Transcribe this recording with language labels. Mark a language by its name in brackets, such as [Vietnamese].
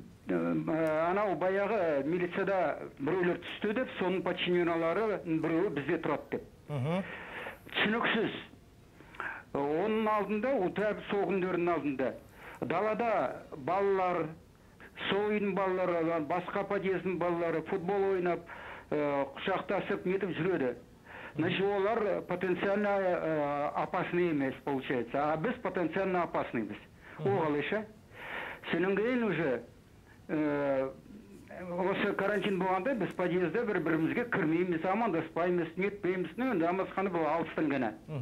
[Kazakh] Анау баяғы милицияда біреулер түсті деп, соның подчиненалары біреуі бізде тұрады деп. Түсініксіз. Оның алдында, ұтап соғындарының алдында, далада балалар, сол үйдің балалары, басқа подъездің балалары футбол ойнап, құшақтасып, нетіп жүреді. [Russian] Значит, олар потенциально опасны емес, получается. [Kazakh] А біз [Russian] потенциально [Kazakh] опасныймыз. Оғалыша. Сенінгейін уже, осы карантин болғанда біз подъезді бір-бірімізге кірмейміз, амандаспаймыз, нетпейміз, енді амандасқаны бұл алыстан ғана.